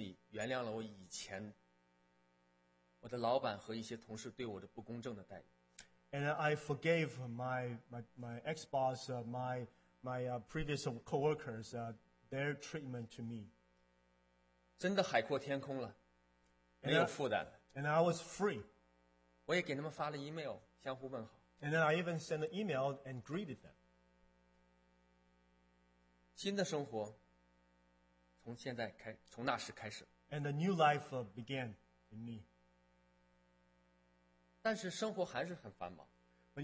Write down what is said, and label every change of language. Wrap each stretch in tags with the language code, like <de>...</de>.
<zh>我决心做了，并且也真正从心里原谅了我以前。我的老板和一些同事对我的不公正的待遇。</zh> <en>And I forgave my ex-boss, my previous co-workers, their treatment to me.</en> <zh>真的海阔天空了，没有负担。</zh> <en>And I was free.</en> <zh>我也给他们发了 email， 相互问好。</zh> <en>And then I even sent an email and greeted them.</en> <zh>新的生活从那时开始。</zh> <en>And a new life began in me.</en> <zh>但是生活还是很繁忙。</zh> <en>But</en>